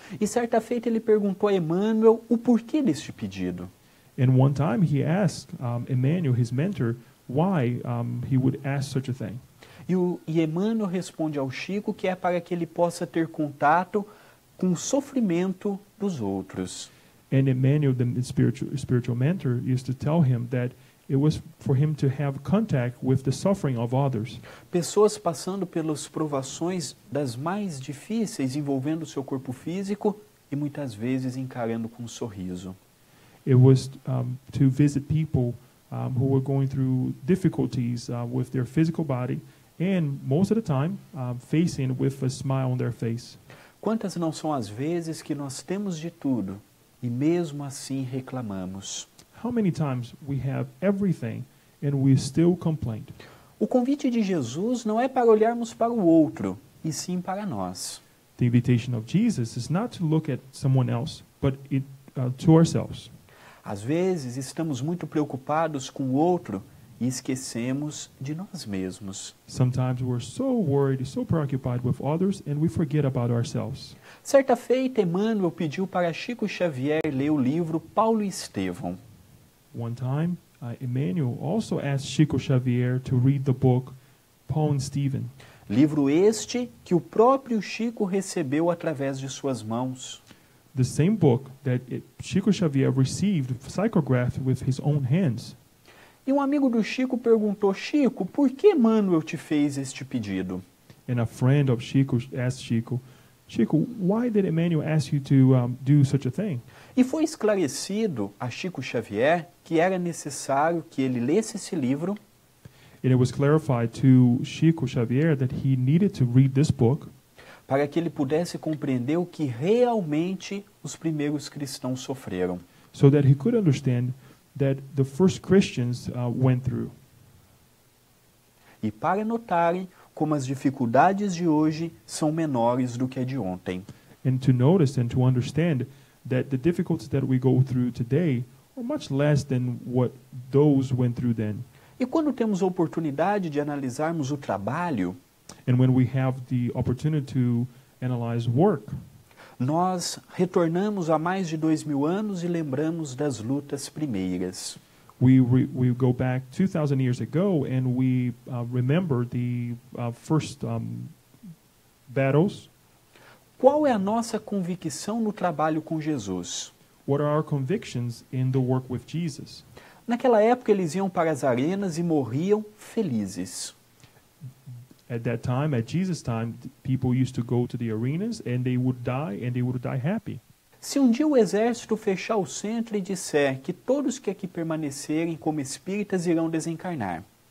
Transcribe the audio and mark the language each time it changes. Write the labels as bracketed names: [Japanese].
[Portuguese] E certa feita ele perguntou a Emmanuel o porquê deste pedido. [English] And one time he asked Emmanuel, his mentor, why he would ask such a thing. [Portuguese] E Emmanuel responde ao Chico que é para que ele possa ter contato com o sofrimento dos outros. [English] And Emmanuel, the spiritual mentor, used to tell him that it was for him to have contact with the suffering of others. [Portuguese] Pessoas passando pelas provações das mais difíceis envolvendo o seu corpo físico e muitas vezes encarando com um sorriso. [English] It was to visit people who were going through difficulties with their physical body and most of the time facing with a smile on their face. [Portuguese] Quantas não são as vezes que nós temos de tudo e mesmo assim reclamamos? [English] How many times we have everything and we still complain? [Portuguese] O convite de Jesus não é para olharmos para o outro, e sim para nós. [English] The invitation of Jesus is not to look at someone else, but to ourselves. [Portuguese] Às vezes estamos muito preocupados com o outro e esquecemos de nós mesmos. [English] Sometimes we're so worried, so preoccupied with others, and we forget about ourselves. [Portuguese] Certa feita, Emmanuel pediu para Chico Xavier ler o livro Paulo e Estevão. [English] One time, Emmanuel also asked Chico Xavier to read the book Paul and Stephen. [Portuguese] Livro este que o próprio Chico recebeu através de suas mãos. [English] The same book that Chico Xavier received psychographed with his own hands. [Portuguese] E um amigo do Chico perguntou, Chico, por que Emmanuel te fez este pedido? [English] And a friend of Chico asked Chico, Chico, why did Emmanuel ask you to do such a thing? [Portuguese] E foi esclarecido a Chico Xavier que era necessário que ele lesse esse livro. [English] And it was clarified to Chico Xavier that he needed to read this book. [Portuguese] Para que ele pudesse compreender o que realmente os primeiros cristãos sofreram. [English] So that he could understand that the first Christians went through. [Portuguese] E para notarem como as dificuldades de hoje são menores do que a de ontem. [English] And to notice and to understand that the difficulties that we go through today are much less than what those went through then. [Portuguese] E quando temos a oportunidade de analisarmos o trabalho, [English] and when we have the opportunity to analyze work, [Portuguese] nós retornamos a mais de 2000 anos e lembramos das lutas primeiras. [English] We go back 2000 years ago and we remember the first battles. [Portuguese] Qual é a nossa convicção no trabalho com Jesus? [English] What are our convictions in the work with Jesus? [Portuguese] Naquela época eles iam para as arenas e morriam felizes. [English] At that time, at Jesus' time, people used to go to the arenas and they would die and they would die happy. [Portuguese] Se dia o exército fechar o centro e disser que todos que aqui permanecerem como espíritas irão desencarnar.